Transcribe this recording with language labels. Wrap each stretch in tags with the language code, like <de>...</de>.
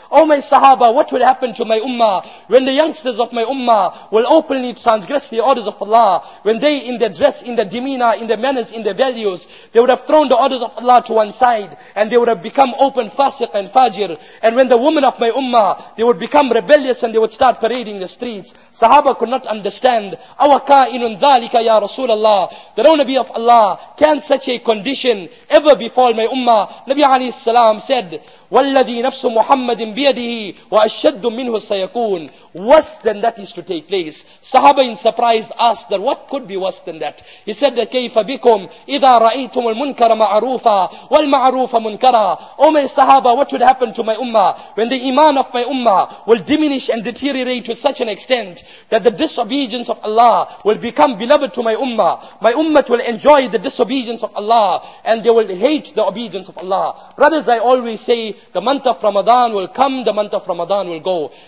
<en>Oh my sahaba, what will happen to my ummah when the youngsters of my ummah will openly transgress the orders of Allah, when they in their dress, in their demeanor, in their manners, in their values, they would have thrown the orders of Allah to one side and they would have become open fasiq and fajir. And when the women of my ummah, they would become rebellious and they would start parading the streets. Sahaba could not understand.</en> <ar>Awaka'inun dhalika ya Rasulallah.</ar> <en>The O Nabi of Allah, can such a condition ever befall my ummah? Nabi alayhi salam said,</en> <ar>والذي نفس محمد بيده واشد منه سيكون.</ar> <en>Worse than that is to take place. Sahaba in surprise asked that what could be worse than that. He said that</en> <ar>كيف بكم اذا رايتم المنكر معروفا والمعروف منكرا.</ar> <en>Oh my Sahaba, what would happen to my ummah when the iman of my ummah will diminish and deteriorate to such an extent that the disobedience of Allah will become beloved to my ummah. My ummah will enjoy the disobedience of Allah and they will hate the obedience of Allah. Brothers, I always say, the month of Ramadan will come, the month of Ramadan will go.</en>